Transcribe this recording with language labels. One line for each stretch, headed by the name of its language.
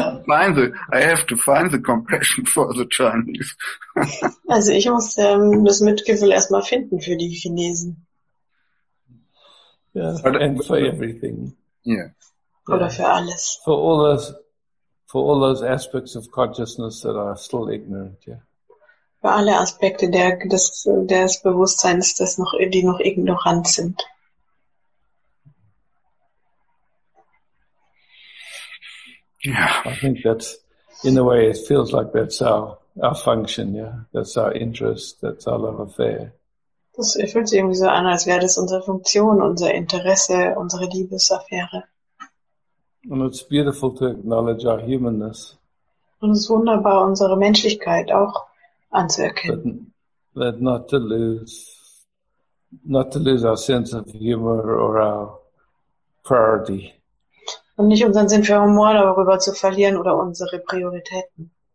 English: I have to find the compassion for the Chinese.
German: Also ich muss das Mitgefühl erstmal finden für die Chinesen.
English: Yeah, and for everything. Yeah.
German: Oder für alles.
English: For all those aspects of consciousness that are still ignorant, yeah.
German: Für alle Aspekte des Bewusstseins, die noch ignorant sind.
English: Yeah, I think that's, in a way, it feels like that's our function, yeah. That's our interest, that's our love affair.
German: Das fühlt sich irgendwie so an, als wäre das unsere Funktion, unser Interesse, unsere Liebesaffäre.
English: And it's beautiful to acknowledge our humanness.
German: Und es ist wunderbar, unsere Menschlichkeit auch anzuerkennen.
English: But not to lose our sense of humor or our priority.
German: Und nicht unseren Sinn für Humor darüber zu verlieren oder unsere Prioritäten.